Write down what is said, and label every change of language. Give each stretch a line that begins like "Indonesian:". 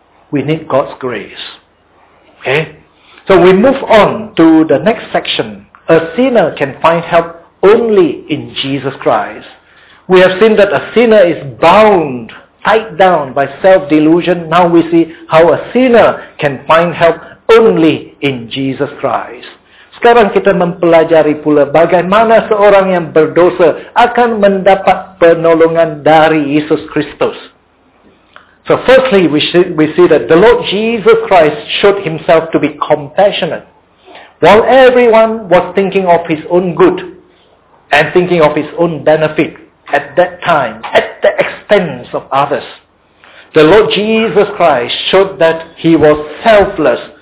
English: We need God's grace. Okay? So we move on to the next section. A sinner can find help only in Jesus Christ. We have seen that a sinner is bound, tied down by self-delusion. Now we see how a sinner can find help only in Jesus Christ.
Indonesian: Sekarang kita mempelajari pula bagaimana seorang yang berdosa akan mendapat penolongan dari Yesus Kristus.
English: So firstly, we see that the Lord Jesus Christ showed himself to be compassionate. While everyone was thinking of his own good and thinking of his own benefit at that time, at the expense of others, the Lord Jesus Christ showed that he was selfless.